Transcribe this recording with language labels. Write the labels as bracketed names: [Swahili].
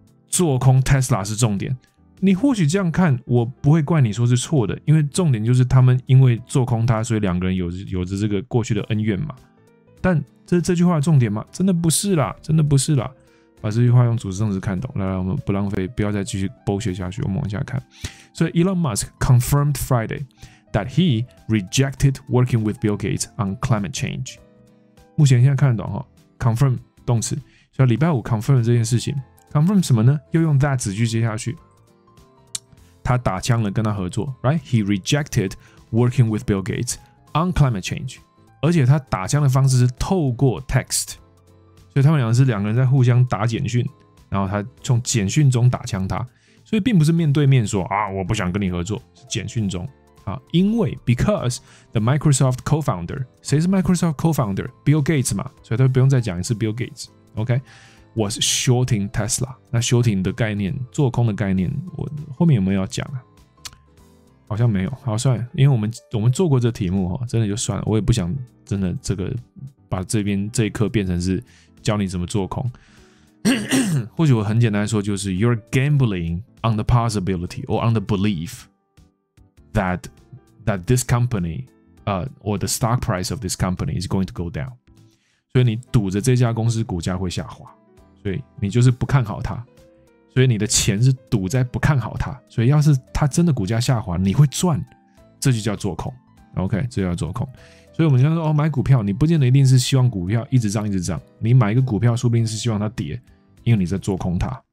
[Chinese] 做空 Tesla 是重点。你或许这样看，我不会怪你说是错的，因为重点就是他们因为做空它，所以两个人有着这个过去的恩怨嘛。但这句话的重点吗？真的不是啦，真的不是啦。把这句话用主词动词看懂，来，我们不浪费，不要再继续bullshit下去，我们往下看。所以 [English] Elon Musk confirmed Friday that he rejected working with Bill Gates on climate change. [Chinese] 目前现在看得懂哈 ，confirm 动词，所以礼拜五 confirm 这件事情 ，confirm 什么呢？又用 that 子句接下去。他打枪了，跟他合作 ， [English] right? He rejected working with Bill Gates on climate change. [Chinese] 而且他打枪的方式是透过 text， 所以他们两个是两个人在互相打简讯，然后他从简讯中打枪他，所以并不是面对面说啊，我不想跟你合作，是简讯中啊，因为 [English] because the Microsoft co-founder， [Chinese] 谁是 Microsoft co-founder？ Bill Gates 嘛，所以他不用再讲一次 Bill Gates， OK？ [English] Was shorting Tesla. [Chinese] 那 shorting 的概念，做空的概念，我后面有没有要讲啊？好像没有。好，算了，因为我们做过这题目，真的就算了。我也不想真的这个把这边这一课变成是教你怎么做空。或许我很简单说，就是 [English] you're gambling on the possibility or on the belief that this company, or the stock price of this company is going to go down. [Chinese] 所以你赌着这家公司股价会下滑。所以你就是不看好它，所以你的钱是赌在不看好它，所以要是它真的股价下滑你会赚，这就叫做空， OK， 这叫做空。所以我们现在说，哦，买股票你不见得一定是希望股票一直涨一直涨，你买一个股票说不定是希望它跌，因为你在做空它。